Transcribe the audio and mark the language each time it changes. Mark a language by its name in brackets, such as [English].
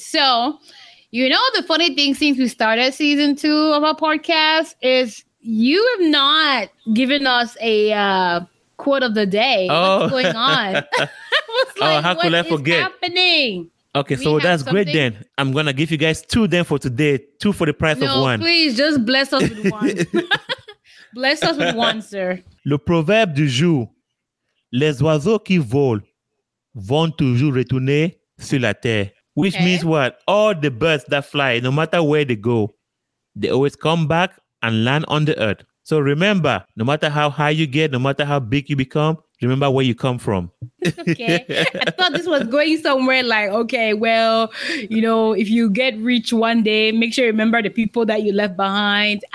[English] So, you know, the funny thing since we started season two of our podcast is you have not given us a quote of the day. Oh. What's going on? how could I forget? Happening? Okay, so that's great then. I'm going to give you guys two then for today, two for the price of one. Please, just bless us with one. Bless us with one, sir. [French] Le proverbe du jour, les oiseaux qui volent vont toujours retourner sur la terre. [English] Which means what? All the birds that fly, no matter where they go, they always come back and land on the earth. So remember, no matter how high you get, no matter how big you become, remember where you come from. Okay. I thought this was going somewhere like, okay, well, you know, if you get rich one day, make sure you remember the people that you left behind.